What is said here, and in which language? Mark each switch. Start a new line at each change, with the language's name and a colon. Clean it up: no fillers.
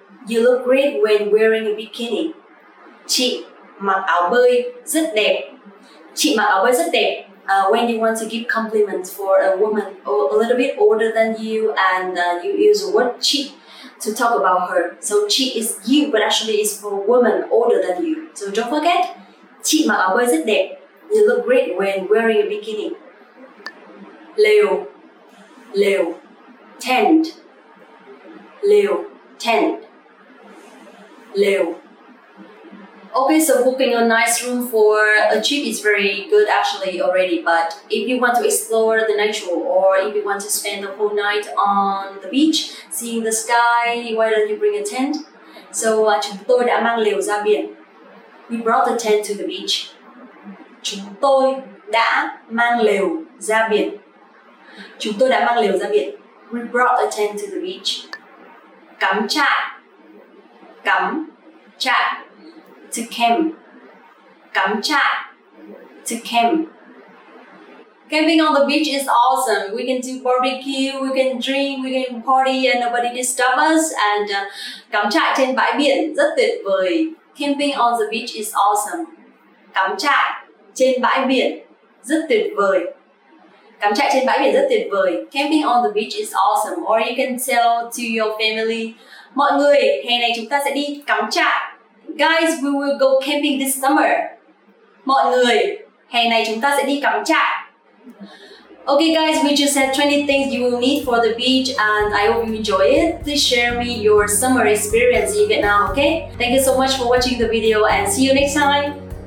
English: You look great when wearing a bikini.
Vietnamese: Chị mặc áo bơi rất đẹp. Chị mặc áo bơi rất đẹp.
English: When you want to give compliments for a woman a little bit older than you, and you use the word chị to talk about her. So chị is you, but actually it's for a woman older than you. So don't forget,
Vietnamese: chị mặc áo bơi rất đẹp.
English: You look great when wearing a bikini. Lều, lều, tent.
Vietnamese: Lều, tent. Lều.
English: Okay, so booking a nice room for a trip is very good actually already, but if you want to explore the natural or if you want to spend the whole night on the beach, seeing the sky, why don't you bring a tent? So
Vietnamese: chúng tôi đã mang lều ra biển.
English: We brought the tent to the beach.
Vietnamese: Chúng tôi đã mang lều ra biển. Chúng tôi đã mang lều ra biển.
English: We brought the tent to the beach.
Vietnamese: Cắm trại. Cắm trại.
English: To camp.
Vietnamese: Cắm trại.
English: To camp. Camping on the beach is awesome. We can do barbecue, we can drink, we can party and nobody disturb us.
Vietnamese: And cắm trại trên bãi biển rất tuyệt vời.
English: Camping on the beach is awesome.
Vietnamese: Cắm trại trên bãi biển rất tuyệt vời. Cắm trại trên bãi biển rất tuyệt vời.
English: Camping on the beach is awesome. Or you can tell to your family,
Vietnamese: mọi người, hè này chúng ta sẽ đi cắm trại.
English: Guys, we will go camping this summer.
Vietnamese: Mọi người, hè này chúng ta sẽ đi cắm trại.
English: Okay guys, we just had 20 things you will need for the beach and I hope you enjoy it. Please share me your summer experience in Vietnam, okay? Thank you so much for watching the video and see you next time.